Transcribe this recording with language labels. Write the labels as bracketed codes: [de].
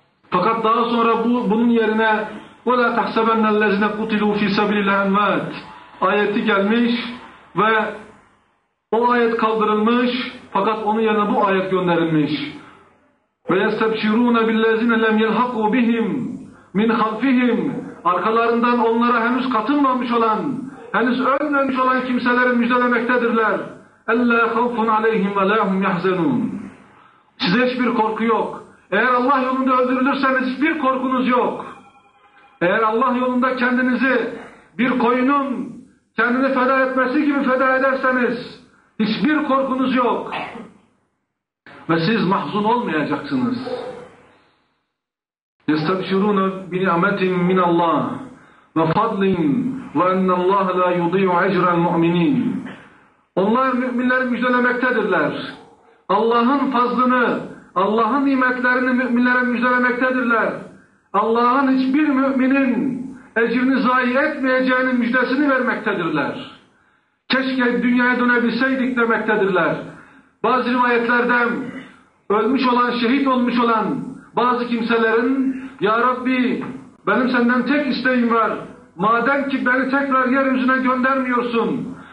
[tr] Fakat daha sonra bunun yerine [ar] وَلَا تَحْسَبَنَّ الَّذِينَ قُتِلُوا فِي سَبِلِ الْاَمْوَاتِ [tr] ayeti gelmiş ve o ayet kaldırılmış fakat onun yerine bu ayet gönderilmiş. [ar] وَيَسْتَبْشِرُونَ بِالَّذِينَ لَمْ يَلْحَقُوا بِهِمْ مِنْ خَلْفِهِمْ [tr] arkalarından onlara henüz katılmamış olan, henüz ölmemiş olan kimseleri müjdelemektedirler. [ar] اَلَّا خَوْفٌ عَلَيْهِمْ وَلَا هُمْ يَحْزَنُونَ [tr] size hiçbir korku yok. Eğer Allah yolunda öldürülürseniz hiçbir korkunuz yok. Eğer Allah yolunda kendinizi bir koyunun kendini feda etmesi gibi feda ederseniz hiçbir korkunuz yok. Ve siz mahzun olmayacaksınız. [ar] يَسْتَبْشِرُونَ بِنِعْمَةٍ مِّنَ اللّٰهِ وَفَضْلٍ وَاَنَّ اللّٰهَ لَا يُضِيعُ اَجْرَ الْمُؤْمِنِينَ [tr] Onlar müminleri müjdelemektedirler. Allah'ın fazlını, Allah'ın nimetlerini müminlere müjdelemektedirler. Allah'ın hiçbir müminin ecrini zayi etmeyeceğinin müjdesini vermektedirler. Keşke dünyaya dönebilseydik demektedirler. Bazı rivayetlerden ölmüş olan, şehit olmuş olan bazı kimselerin Ya Rabbi benim senden tek isteğim var. Madem ki beni tekrar yeryüzüne göndermiyorsun.